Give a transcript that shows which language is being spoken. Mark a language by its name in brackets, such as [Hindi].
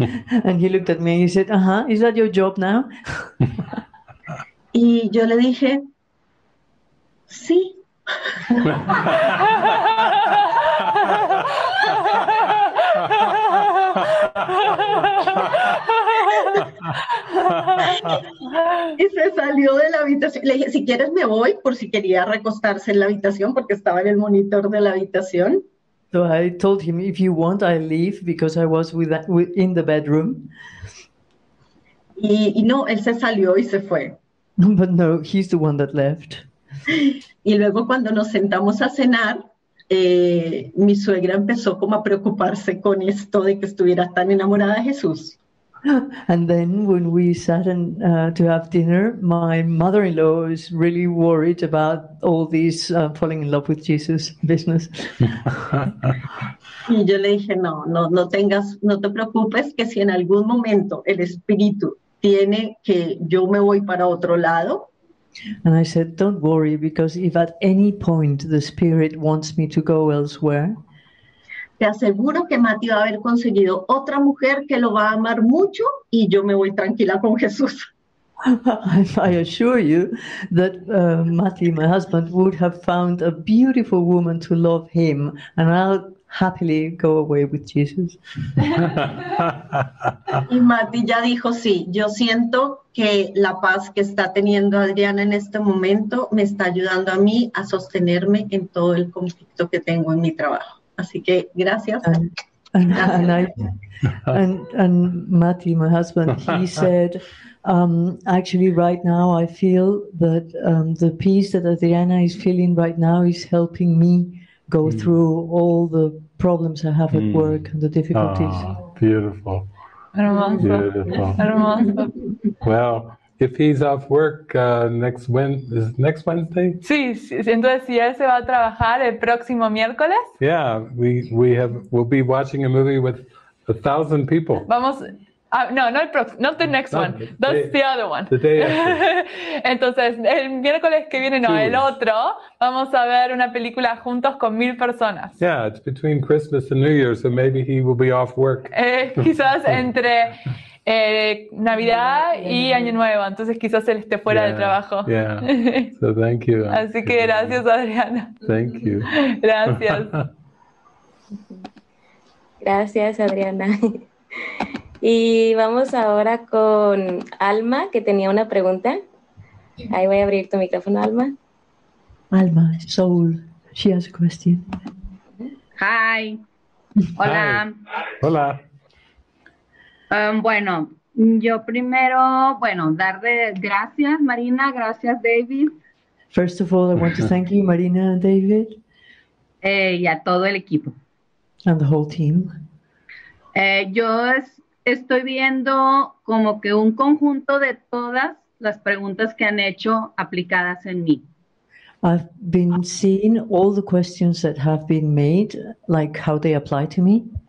[English] And he looked at me and he said, ajá, is that your job now? [Spanish] Y yo le dije, sí. Y se salió de la habitación. Le dije, si quieres me voy, por si quería recostarse en la habitación porque estaba en el monitor de la habitación. [English] So I told him, if you want, I leave because I was in the bedroom. [Spanish] Y no, él se salió y se fue. [English] But no, he's the one that left. [Spanish] Y luego cuando nos sentamos a cenar, mi suegra empezó como a preocuparse con esto de que estuviera tan enamorada de Jesús. [English] And then when we sat and to have dinner, my mother-in-law is really worried about all these falling in love with Jesus business. [Spanish] Y yo le dije, no, no, no tengas, no te preocupes, que si en algún momento el Espíritu tiene que yo me voy para otro lado. [English] And I said, don't worry, because if at any point the Spirit wants me to go elsewhere, [Spanish] te aseguro que Mati va a haber conseguido otra mujer que lo va a amar mucho y yo me voy tranquila con Jesús. [English] I assure you that Mati, my husband, would have found a beautiful woman to love him and I'll happily go away with Jesus. [Spanish] Y Mati ya dijo, sí, yo siento que la paz que está teniendo Adriana en este momento me está ayudando a mí a sostenerme en todo el conflicto que tengo en mi trabajo. Así que gracias. [English] And Mati, my husband, he said, actually right now I feel that the peace that Adriana is feeling right now is helping me go through all the problems I have at work and the difficulties. Ah, beautiful. [Spanish] Hermoso. [English] Well, if he's off work next Wednesday? [Spanish] Sí, sí, entonces si él se va a trabajar el próximo miércoles. [English] Yeah, we'll be watching a movie with 1,000 people. [Spanish] Vamos, [English] not the next one. That's the other one. The day after. [Spanish] Entonces, el miércoles que viene, no, el otro, vamos a ver una película juntos con 1,000 personas. [English] Yeah, it's between Christmas and New Year, so maybe he will be off work. [Spanish] Quizás entre Navidad y Año Nuevo, entonces quizás él esté fuera del trabajo. [English] Yeah. So thank you. [Spanish] Así que gracias, Adriana. [English] Thank you. [Spanish] Gracias. Gracias, Adriana. Y vamos ahora con Alma, que tenía una pregunta. Ahí voy a abrir tu micrófono, Alma. [English] Alma, Soul, she has a question. Hi. [Spanish] Hola. [English] Hi. [Spanish] Hola. Bueno, yo primero, bueno, darle gracias, Marina, gracias, David. [English] First of all, I want to thank you, Marina and David. [Spanish] Y a todo el equipo. [English] And the whole team. [Spanish] Yo estoy viendo como que un conjunto de todas las preguntas que han hecho aplicadas en mí. [English] I've been seeing all the questions that have been made, like how they apply to me.